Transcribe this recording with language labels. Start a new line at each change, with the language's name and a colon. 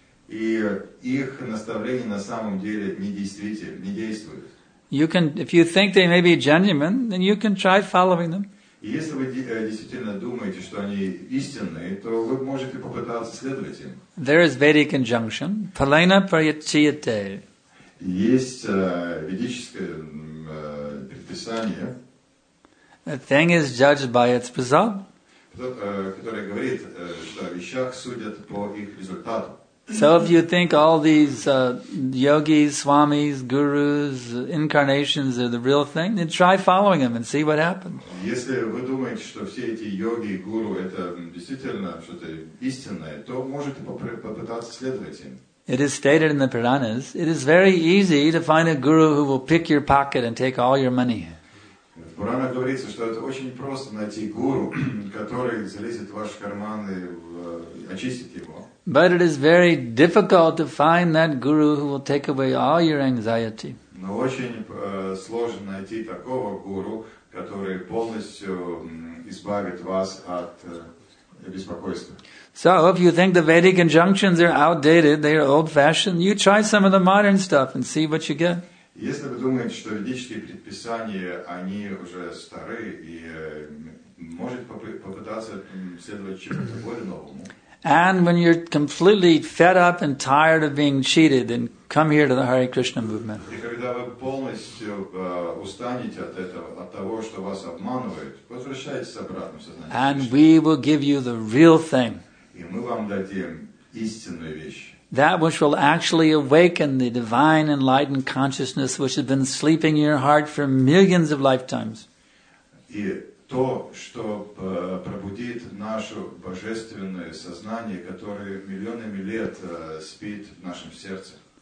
Russian: И их наставления на самом деле недействительны, не действуют.
English: You can, if you think they may be genuine, then you can try following them.
Russian: Если вы действительно думаете, что они истинные, то вы можете попытаться следовать им.
English: There is Vedic injunction, palena prayachyate.
Russian: Есть ведическое предписание.
English: A thing is judged by its result.
Russian: Который говорит, что о вещах судят по их результату.
English: So if you think all these yogis, swamis, gurus, incarnations are the real thing, then try following them and see what happens.
Russian: Если вы думаете, что все эти йоги и гуру это действительно что-то истинное, то можете попытаться следовать им.
English: It is stated in the Puranas, it is very easy to find a guru who will pick your pocket and take all your money.
Russian: В Пуранах говорится, что это очень просто найти гуру, который залезет в ваши карманы и очистит его.
English: But it is very difficult to find that guru who will take away all your anxiety.
Russian: Но очень сложно найти такого гуру, который полностью избавит вас от беспокойства.
English: So, if you think the Vedic injunctions are outdated, they are old-fashioned, you try some of the modern stuff and see what you get.
Russian: Если вы думаете, что ведические предписания они уже стары и можете попытаться следовать чему-то более новому.
English: And when you're completely fed up and tired of being cheated, then come here to the Hare Krishna movement.
Russian: И когда вы полностью устанете от этого, от того, что вас обманывают, возвращайтесь обратно в сознание.
English: And we will give you the real thing.
Russian: И мы вам дадим истинную вещь.
English: That which will actually awaken the divine enlightened consciousness which has been sleeping in your heart for millions of lifetimes.
Russian: И то, что пробудит наше божественное сознание, которое миллионами лет спит в нашем сердце.